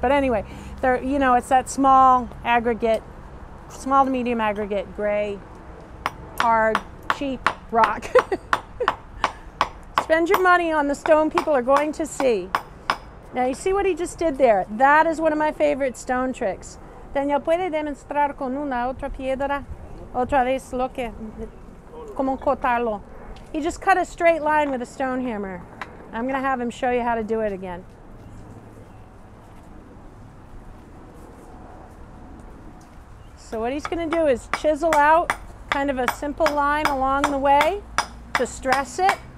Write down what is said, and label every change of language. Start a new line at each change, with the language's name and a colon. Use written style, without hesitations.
English: But anyway, there, you know, it's that small to medium aggregate, gray, hard, cheap rock. Spend your money on the stone people are going to see. Now you see what he just did there? That is one of my favorite stone tricks.
Spanish: Daniel, puede demostrar con una otra piedra otra vez lo que, como cortarlo.
English: He just cut a straight line with a stone hammer. I'm going to have him show you how to do it again. So what he's going to do is chisel out kind of a simple line along the way to stress it.